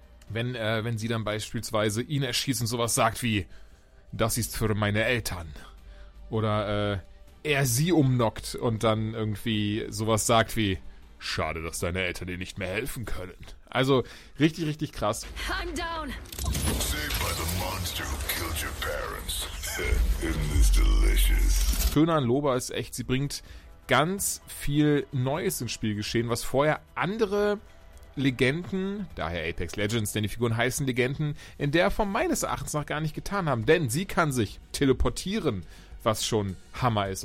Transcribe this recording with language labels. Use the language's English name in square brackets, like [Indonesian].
[German] Wenn sie dann beispielsweise ihn erschießt und sowas sagt wie, das ist für meine Eltern. Oder er sie umnockt und dann irgendwie sowas sagt wie, schade, dass deine Eltern dir nicht mehr helfen können. Also richtig, richtig krass. [English] I'm down. Saved by the monster who killed your parents. Isn't this delicious? [German] Schön an Loba ist echt, sie bringt ganz viel Neues ins Spielgeschehen, was vorher andere Legenden, daher Apex Legends, denn die Figuren heißen Legenden, in der Form meines Erachtens noch gar nicht getan haben. Denn sie kann sich teleportieren, was schon Hammer ist.